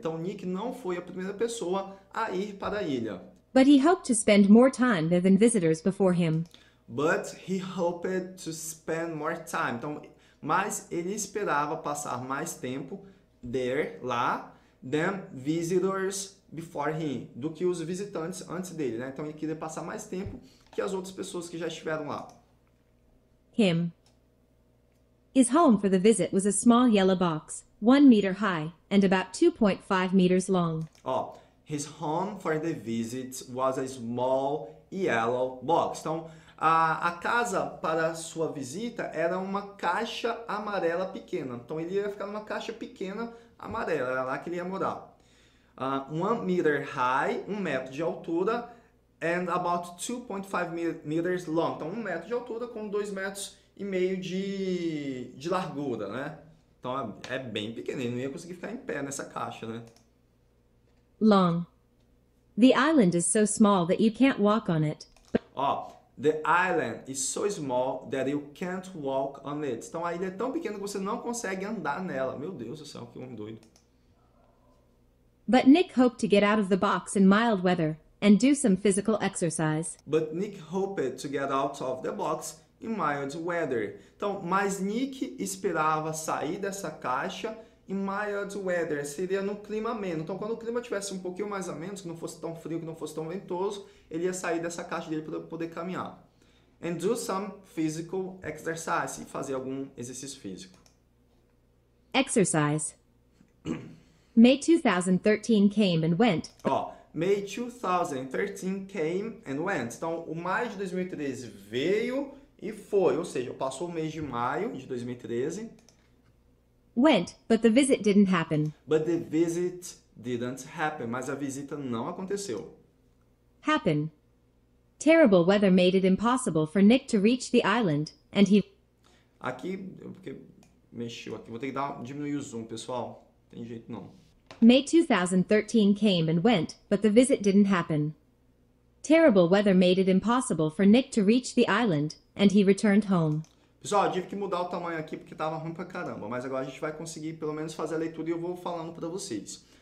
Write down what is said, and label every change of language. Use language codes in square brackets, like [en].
[pt] Então, Nick não foi a primeira pessoa a ir para a ilha. [en] But he hoped to spend more time there than visitors before him. But he hoped to spend more time. [pt] Então, mas ele esperava passar mais tempo there, lá, [en] than visitors before him, [pt] do que os visitantes antes dele, né? Então, ele queria passar mais tempo que as outras pessoas que já estiveram lá. [en] Him. His home for the visit was a small yellow box, 1 meter high and about 2.5 meters long. His home for the visit was a small yellow box. [pt] Então, a casa para a sua visita era uma caixa amarela pequena. Então, ele ia ficar numa caixa pequena amarela, era lá que ele ia morar. [en] 1 meter high, [pt] 1 metro de altura. [en] And about 2.5 meters long. [pt] Então, 1 metro de altura com 2,5 metros de largura, né? Então, é bem pequeno. Ele não ia conseguir ficar em pé nessa caixa, né? [en] Long. The island is so small that you can't walk on it. The island is so small that you can't walk on it. [pt] Então, a ilha é tão pequena que você não consegue andar nela. Meu Deus do céu, que homem doido. [en] But Nick hoped to get out of the box in mild weather and do some physical exercise. But Nick hoped to get out of the box in mild weather. [pt] Então, mas Nick esperava sair dessa caixa [en] in mild weather, [pt] seria no clima ameno. Então, quando o clima tivesse um pouquinho mais ameno, que não fosse tão frio, que não fosse tão ventoso, ele ia sair dessa caixa dele para poder caminhar. [en] And do some physical exercise, [pt] fazer algum exercício físico. [en] Exercise. May 2013 came and went. Ó, May 2013 came and went. [pt] Então, o maio de 2013 veio e foi, ou seja, passou o mês de maio de 2013. [en] Went, but the visit didn't happen. But the visit didn't happen. [pt] Mas a visita não aconteceu. [en] Happen. Terrible weather made it impossible for Nick to reach the island, and he... [pt] Aqui, porque mexeu aqui. Vou ter que dar, diminuir o zoom, pessoal. Não tem jeito, não. [en] May 2013 came and went, but the visit didn't happen. Terrible weather made it impossible for Nick to reach the island, and he returned home. [pt] Pessoal, eu tive que mudar o tamanho aqui porque tava ruim pra caramba, mas agora a gente vai conseguir pelo menos fazer a leitura e eu vou falando pra vocês.